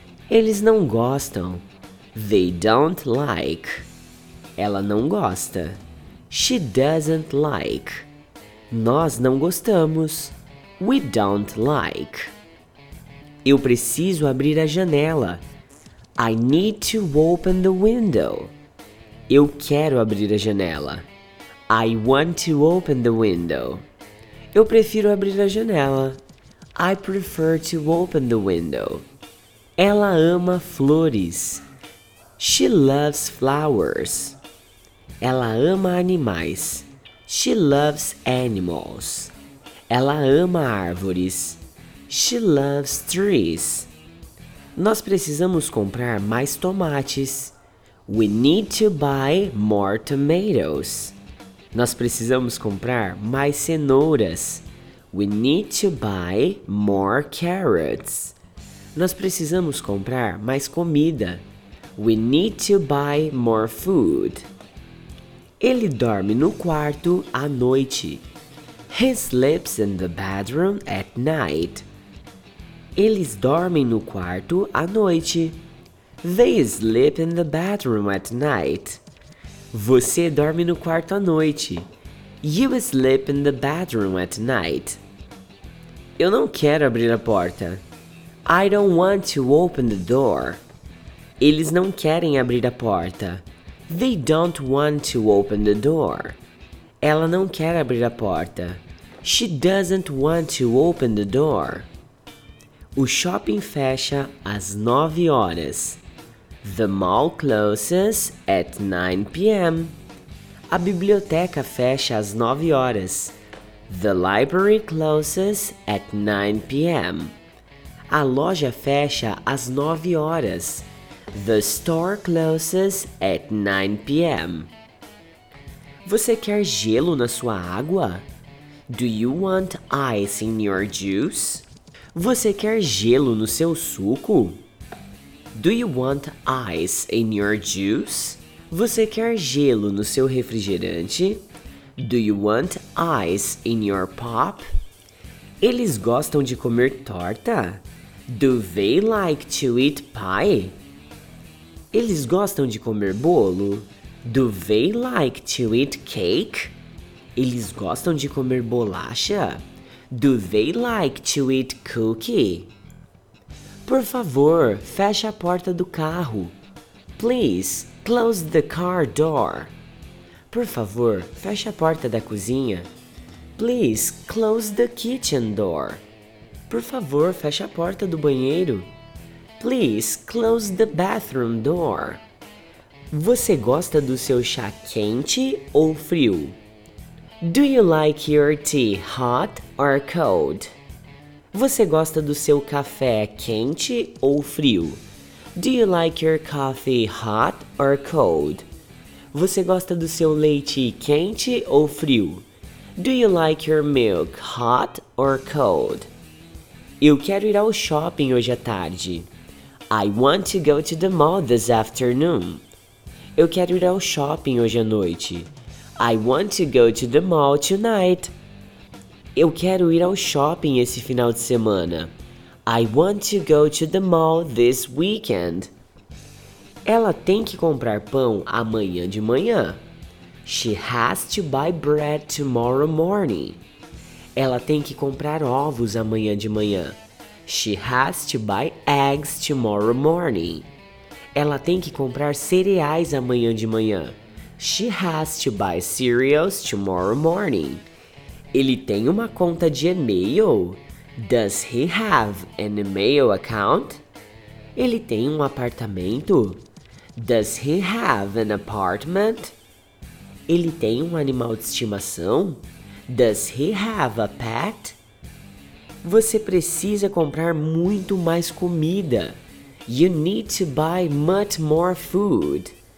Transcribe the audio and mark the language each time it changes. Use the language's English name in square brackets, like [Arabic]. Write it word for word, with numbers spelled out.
[Portuguese] Eles não gostam. [English] They don't like. [Portuguese] Ela não gosta. [English] She doesn't like. [Portuguese] Nós não gostamos. [English] We don't like. [Portuguese] Eu preciso abrir a janela. [English] I need to open the window. [Portuguese] Eu quero abrir a janela. [English] I want to open the window. [Portuguese] Eu prefiro abrir a janela. [English] I prefer to open the window. [Portuguese] Ela ama flores. [English] She loves flowers. [Portuguese] Ela ama animais. [English] She loves animals. [Portuguese] Ela ama árvores. [English] She loves trees. [Portuguese] Nós precisamos comprar mais tomates. [English] We need to buy more tomatoes. [Portuguese] Nós precisamos comprar mais cenouras. [English] We need to buy more carrots. [Portuguese] Nós precisamos comprar mais comida. [English] We need to buy more food. [Portuguese] Ele dorme no quarto à noite. [English] He sleeps in the bedroom at night. [Portuguese] Eles dormem no quarto à noite. [English] They sleep in the bedroom at night. [Portuguese] Você dorme no quarto à noite. [English] You sleep in the bedroom at night. [Portuguese] Eu não quero abrir a porta. [English] I don't want to open the door. [Portuguese] Eles não querem abrir a porta. [English] They don't want to open the door. [Portuguese] Ela não quer abrir a porta. [English] She doesn't want to open the door. [Portuguese] O shopping fecha às nove horas. [English] The mall closes at nine p m [Portuguese] A biblioteca fecha às nove horas. [English] The library closes at nine p m [Portuguese] A loja fecha às nove horas. [English] The store closes at nine p m [Portuguese] Você quer gelo na sua água? [English] Do you want ice in your juice? [Portuguese] Você quer gelo no seu suco? [English] Do you want ice in your juice? [Portuguese] Você quer gelo no seu refrigerante? [English] Do you want ice in your pop? [Portuguese] Eles gostam de comer torta? [English] Do they like to eat pie? [Portuguese] Eles gostam de comer bolo? [English] Do they like to eat cake? [Portuguese] Eles gostam de comer bolacha? [English] Do they like to eat cookie? [Portuguese] Por favor, feche a porta do carro. [English] Please, close the car door. [Portuguese] Por favor, feche a porta da cozinha. [English] Please, close the kitchen door. [Portuguese] Por favor, feche a porta do banheiro. [English] Please close the bathroom door. [Portuguese] Você gosta do seu chá quente ou frio? [English] Do you like your tea hot or cold? [Portuguese] Você gosta do seu café quente ou frio? [English] Do you like your coffee hot or cold? [Portuguese] Você gosta do seu leite quente ou frio? [English] Do you like your milk hot or cold? [Portuguese] Eu quero ir ao shopping hoje à tarde. [English] I want to go to the mall this afternoon. [Portuguese] Eu quero ir ao shopping hoje à noite. [English] I want to go to the mall tonight. [Portuguese] Eu quero ir ao shopping esse final de semana. [English] I want to go to the mall this weekend. [Portuguese] Ela tem que comprar pão amanhã de manhã. [English] She has to buy bread tomorrow morning. [Portuguese] Ela tem que comprar ovos amanhã de manhã. [English] She has to buy eggs tomorrow morning. [Portuguese] Ela tem que comprar cereais amanhã de manhã. [English] She has to buy cereals tomorrow morning. [Portuguese] Ele tem uma conta de e-mail? [English] Does he have an email account? [Portuguese] Ele tem um apartamento? [English] Does he have an apartment? [Portuguese] Ele tem um animal de estimação? [English] Does he have a pet? [Portuguese] Você precisa comprar muito mais comida. [English] You need to buy much more food.